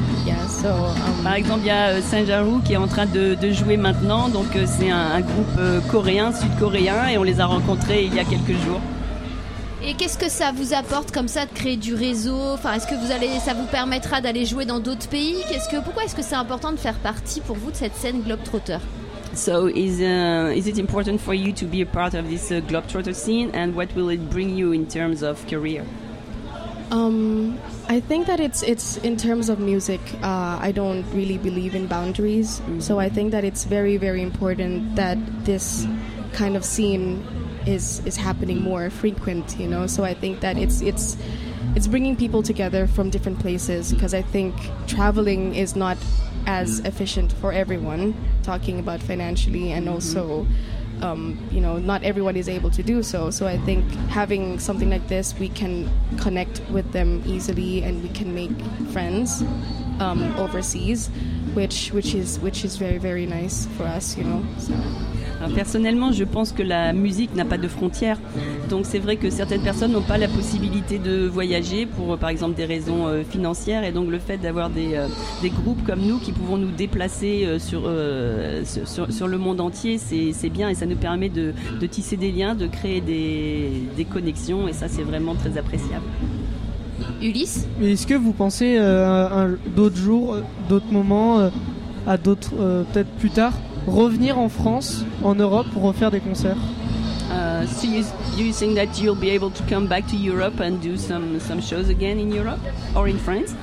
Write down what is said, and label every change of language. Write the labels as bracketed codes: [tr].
[en] Yeah. So. [fr] Par exemple, il y a Sang Jaru qui est en train de jouer maintenant. Donc c'est un groupe coréen, sud-coréen, et on les a rencontrés il y a quelques jours. Et qu'est-ce que ça vous apporte comme ça de créer du réseau? Enfin, est-ce que ça vous permettra d'aller jouer dans d'autres pays? Pourquoi est-ce que c'est important de faire partie pour vous de cette scène Globetrotter? [en] So is it important for you to be a part of this Globetrotter scene, and what will it bring you in terms of career? I think that it's in terms of music. I don't really believe in boundaries. Mm-hmm. So I think that it's very, very important that this kind of scene is happening more frequent, you know. So I think that it's bringing people together from different places, because I think traveling is not as efficient for everyone, talking about financially, and also you know, not everyone is able to do so. So I think having something like this, we can connect with them easily and we can make friends overseas, which is very, very nice for us, you know. So [fr] personnellement, je pense que la musique n'a pas de frontières. Donc c'est vrai que certaines personnes n'ont pas la possibilité de voyager pour, par exemple, des raisons financières. Et donc le fait d'avoir des groupes comme nous qui pouvons nous déplacer sur le monde entier, c'est bien. Et ça nous permet de tisser des liens, de créer des connexions. Et ça, c'est vraiment très appréciable. Ulysse ? Mais est-ce que vous pensez d'autres jours, d'autres moments, à d'autres, peut-être plus tard, revenir en France, en Europe, pour refaire des concerts? [en] So you think that you'll be able to come back to Europe and do some shows again in Europe or in France?